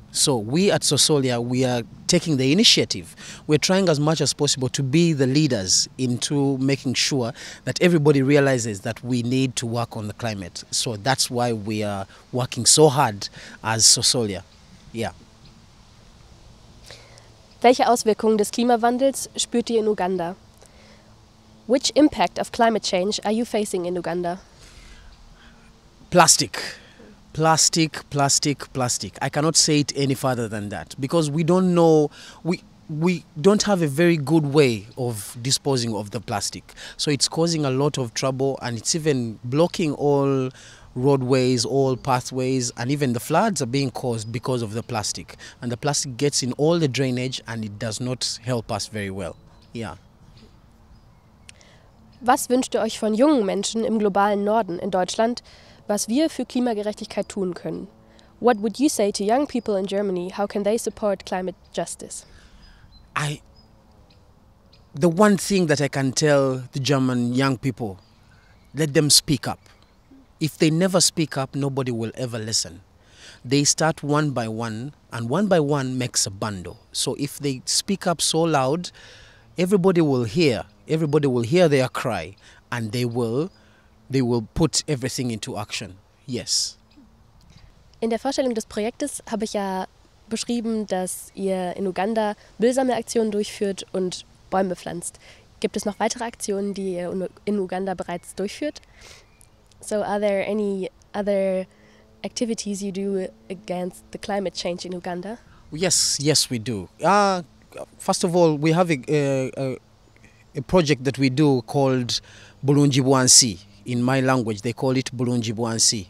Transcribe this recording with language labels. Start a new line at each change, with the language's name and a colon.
English: So we at Sosolya, we are taking the initiative. We're trying as much as possible to be the leaders into making sure that everybody realizes that we need to work on the climate. So that's why we are working so hard as Sosolya. Yeah.
German: Welche Auswirkungen des Klimawandels spürt ihr in Uganda?
English: Which impact of climate change are you facing in Uganda? Plastic. Plastic, plastic, plastic. I cannot say it any further than that because we don't know, we don't have a very good way of disposing of the plastic. So it's causing a lot of trouble and it's even blocking all roadways, all pathways, and even the floods are being caused because of the plastic. And the plastic gets in all the drainage and it does not help us very well. Yeah.
German: Was wünscht ihr euch von jungen Menschen im globalen Norden in Deutschland, was wir für Klimagerechtigkeit tun können?
English: What would you say to young people in Germany? How can they support climate justice? The one thing that I can tell the German young people, let them speak up. If they never speak up, nobody will ever listen. They start one by one, and one by one makes a bundle. So if they speak up so loud, everybody will hear. Everybody will hear their cry, and they will put everything into action. Yes.
German: In der Vorstellung des Projektes habe ich ja beschrieben, dass ihr in Uganda Müllsammelaktionen durchführt und Bäume pflanzt. Gibt es noch weitere Aktionen, die ihr in Uganda bereits durchführt?
English: So are there any other activities you do against the climate change in Uganda? Yes, yes we do. First of all, we have a project that we do called Bulungi Bwansi. In my language, they call it Bulungi Bwansi.